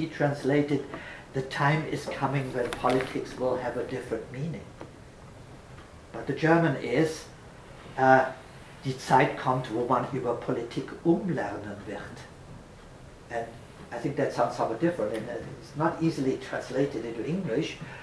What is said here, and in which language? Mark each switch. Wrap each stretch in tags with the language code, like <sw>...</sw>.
<en>He translated, "The time is coming when politics will have a different meaning." But the German is,</en> <de>"Die Zeit kommt, wo man über Politik umlernen wird."</de> <en>And I think that sounds somewhat different, and it's not easily translated into English.</en>